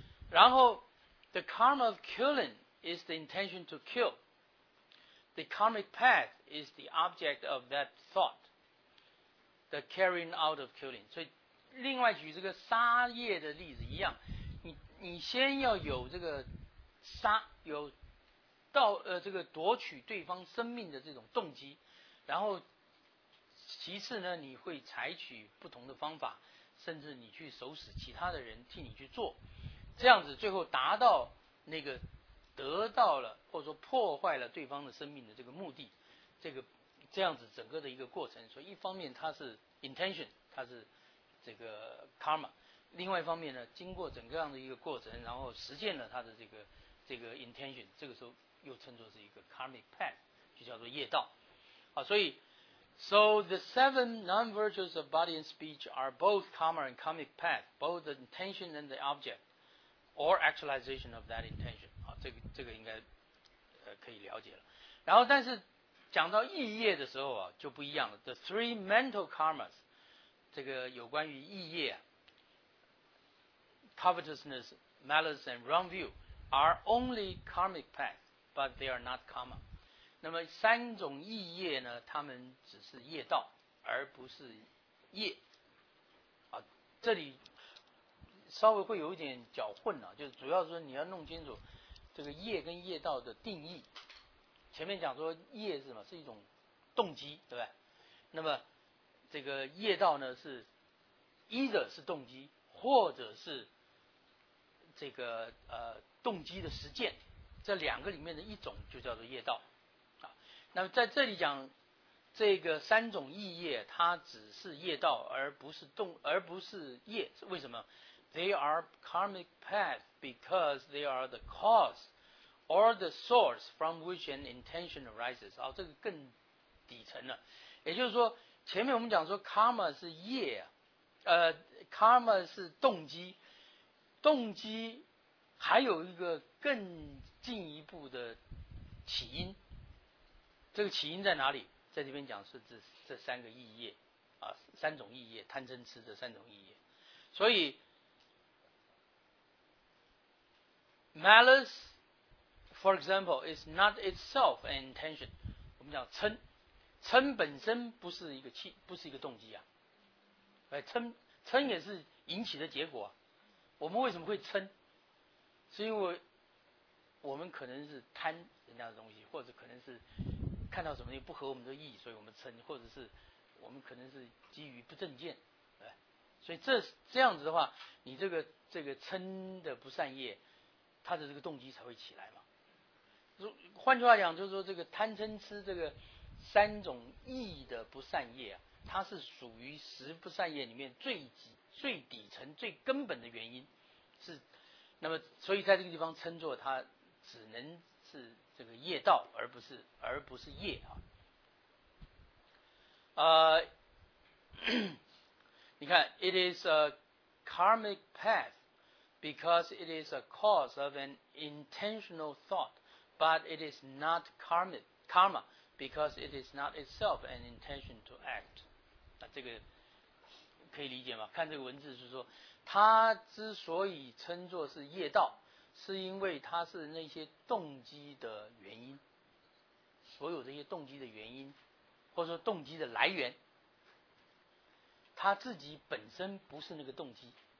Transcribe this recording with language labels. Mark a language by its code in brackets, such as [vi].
[zh] 然后 [en] the karma of killing is the intention to kill. The karmic path is the object of that thought. The carrying out of killing. [zh] 所以另外举这个杀业的例子一样，你先要有这个杀，有到这个夺取对方生命的这种动机，然后其次呢，你会采取不同的方法，甚至你去手使其他的人替你去做。这样子最后达到那个得到了或者说破坏了对方的生命的这个目的，这样子整个的一个过程。所以一方面它是 intention， 它是这个 karma， 另外一方面呢，经过整个样的一个过程，然后实现了它的这个 intention， 这个时候又称作是一个 karmic path， 就叫做业道。好，所以 [en] So the seven non-virtues of body and speech are both karma and karmic path， both the intention and the object。 Or actualization of that intention. [zh] 好，这个应该可以了解了。然后但是讲到意业的时候啊，就不一样了。 [en] The three mental karmas， [zh] 这个有关于意业， [en] covetousness, malice and wrong view are only karmic paths, but they are not karma. [zh] 那么三种意业呢，他们只是业道而不是业。好，这里稍微会有一点搅混了，就是主要说你要弄清楚这个业跟业道的定义。前面讲说业是什么，是一种动机，对吧？那么这个业道呢，是 [en] either [zh] 是动机，或者是这个动机的实践，这两个里面的一种就叫做业道啊。那么在这里讲这个三种意业，它只是业道而不是业，是为什么？ [en] They are karmic paths because they are the cause or the source from which an intention arises. [zh] 这个更底层了。也就是说，前面我们讲说 karma 是业，karma 是动机，动机还有一个更进一步的起因。这个起因在哪里？在这边讲是这三个意业，三种意业，贪嗔痴这三种意业。所以 [en] Malice, for example, is not itself an intention. [zh] 我们讲嗔，嗔本身不是一个动机啊。嗔也是引起的结果啊。我们为什么会嗔？是因为我们可能是贪人家的东西，或者可能是看到什么不合我们的意，所以我们嗔，或者是我们可能是基于不正见，对。所以这样子的话，你这个嗔的不善业，他的这个动机才会起来嘛。换句话讲，就是说这个贪嗔痴这个三种意的不善业啊，它是属于十不善业里面最底层最根本的原因。是，那么所以在这个地方称作它只能是这个业道而不是业啊。你看 [en] ，it is a karmic path。 Because it is a cause of an intentional thought, but it is not karmic karma because it is not itself an intention to act. [zh] 那这个可以理解吗？看这个文字是说，它之所以称作是业道，是因为它是那些动机的原因，所有这些动机的原因，或者说动机的来源，它自己本身不是那个动机。